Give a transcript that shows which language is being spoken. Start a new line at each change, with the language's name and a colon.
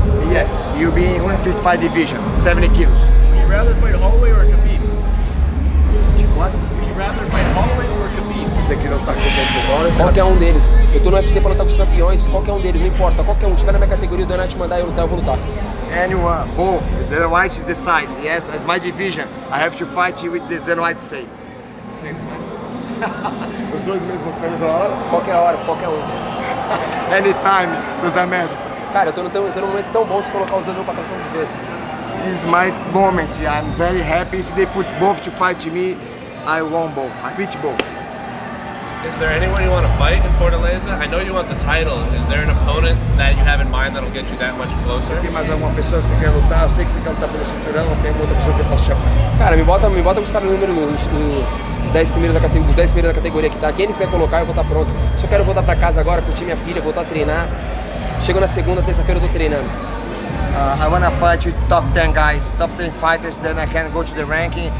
English: Yes, you'll be in 155 division,
Portuguese: 70 quilos.
English: Would you rather fight Holloway or Khabib? What? Would you rather fight Holloway or Khabib?
Portuguese: Você quer lutar com o Holloway? Qualquer um deles. Eu tô no UFC pra lutar com os campeões, qualquer um deles, não importa. Qualquer um, tiver na minha categoria, o Dana te mandar eu lutar, eu vou lutar.
English: Anyone, both. Dana White decide. Yes, it's my division. I have to fight you with the Dana White say.
Portuguese: Os dois mesmo, na mesma hora? Qualquer hora, qualquer um.
English: Anytime, does that matter?
Portuguese: Cara, eu tô num momento tão bom, se colocar os dois, eu vou passar todos os dois.
English: This is my moment, I'm very happy. If they put both to fight me, I won both. I beat both. Is there anyone you want to fight in Fortaleza? I know you want the title. Is there an opponent that you have in mind that'll get you that much closer?
Portuguese: Tem mais alguma pessoa que você quer lutar? Eu sei que você quer lutar pelo cinturão, tem outra pessoa que você possa chamar. Cara, me bota os caras no número 1. Os 10 primeiros da categoria que tá. Quem eles quiser colocar, eu vou estar pronto. Só quero voltar pra casa agora, curtir minha filha, voltar a treinar. Chego na segunda, terça-feira eu tô treinando.
English: I wanna fight with top 10 guys, top 10 fighters, then I can go to the ranking.